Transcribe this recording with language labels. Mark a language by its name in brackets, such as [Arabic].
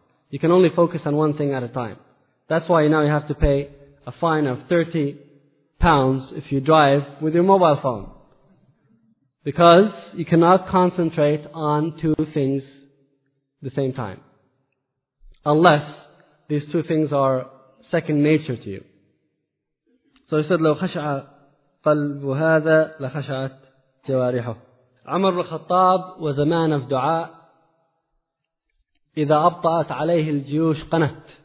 [English] You can only focus on one thing at a time. That's why now you have to pay a fine of £30 if you drive with your mobile phone. Because you cannot concentrate on two things the same time. Unless these two things are second nature to you. So he said, [Arabic] لو خشع قلب هذا لخشعت جوارحه. [English] Umar al-Khattab was a man of dua. [Arabic] إذا أبطأت عليه الجيوش قنت.